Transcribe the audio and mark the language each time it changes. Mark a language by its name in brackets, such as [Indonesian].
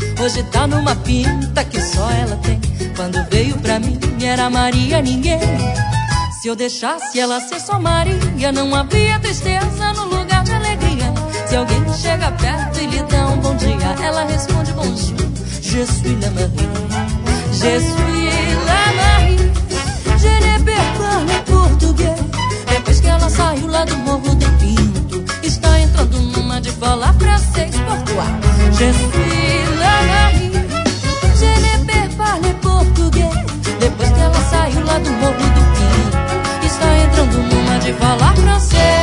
[Portuguese] Hoje tá numa pinta que só ela tem. Quando veio pra mim, era Maria ninguém. Se eu deixasse ela ser só Maria, não havia tristeza no lugar de alegria. Se alguém chega perto e lhe dá um bom dia, ela responde bonjour. [French] Je suis la Marie, je suis la Marie. Je ne parle pas le portugais. [Portuguese] Depois que ela saiu lá do Morro do Pinto, está entrando numa de falar francês, portuguai. [French] Je suis la Marie, je ne parle pas le portugais. [Portuguese] Depois que ela saiu lá do Morro do Pinto, entrando numa de falar francês.